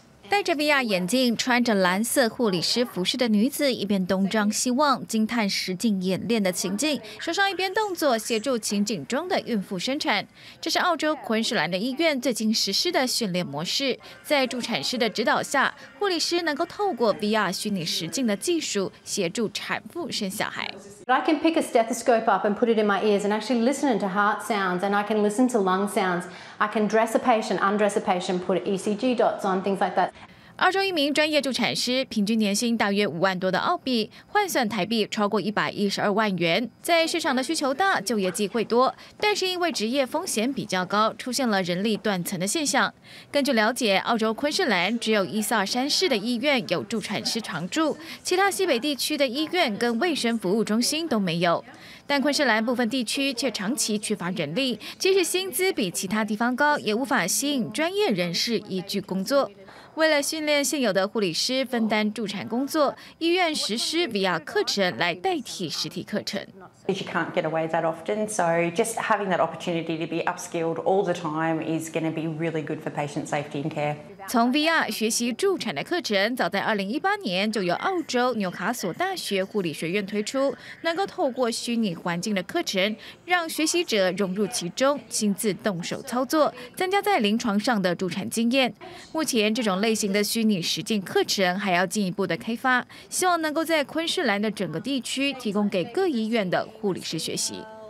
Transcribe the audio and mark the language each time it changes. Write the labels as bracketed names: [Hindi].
[Chinese] 戴着 VR 眼镜、穿着蓝色护理师服饰的女子，一边东张西望，惊叹实境演练的情境，手上一边动作协助情景中的孕妇生产。这是澳洲昆士兰的医院最近实施的训练模式，在助产师的指导下，护理师能够透过 VR 虚拟实境的技术协助产妇生小孩。 [English] I can pick a stethoscope up and put it in my ears and actually listen to heart sounds and I can listen to lung sounds. I can dress a patient, undress a patient, put ECG dots on, things like that. [Chinese] 澳洲一名专业助产师，平均年薪大约5万多澳币，换算台币超过112万元。在市场的需求大，就业机会多，但是因为职业风险比较高，出现了人力断层的现象。根据了解，澳洲昆士兰只有伊萨山市的医院有助产师常驻，其他西北地区的医院跟卫生服务中心都没有。但昆士兰部分地区却长期缺乏人力，即使薪资比其他地方高，也无法吸引专业人士移居工作。为了训练现有的护理师分担助产工作，医院实施 VR 课程来代替实体课程。 [English] You can't get away that often, so just having that opportunity to be upskilled all the time is going to be really good for patient safety and care. [Chinese] 从 VR 学习助产的课程，早在2018年就由澳洲纽卡索大学护理学院推出，能够透过虚拟环境的课程，让学习者融入其中，亲自动手操作，增加在临床上的助产经验。目前这种类型的虚拟实境课程还要进一步的开发，希望能够在昆士兰的整个地区提供给各医院的护理师学习。